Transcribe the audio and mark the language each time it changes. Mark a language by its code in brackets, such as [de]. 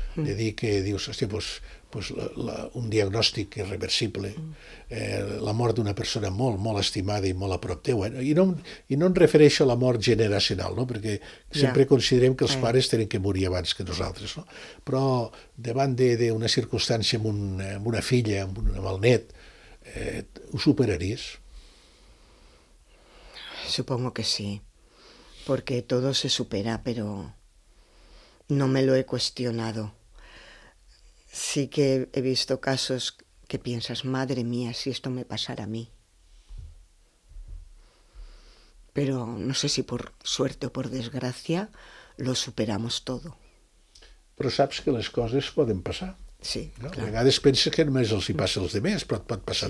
[ca] De dir que dius, hòstia, un diagnòstic irreversible, la mort d'una persona molt, molt estimada i molt a prop teu. I no em refereixo a la mort generacional, no? Perquè sempre considerem que els pares tenen que morir abans que nosaltres, no? Però davant d'una circumstància amb una filla, amb el net, ho superaries? [es] Supongo que sí, porque todo se supera, pero no me lo he cuestionado. Sí que he visto casos que piensas, madre mía, si esto me pasara a mí. Pero no sé si por suerte o por desgracia lo superamos todo. [ca] Però saps que les coses poden passar. Sí, no? Clar. A vegades penses que només els hi passa als altres, però et pot passar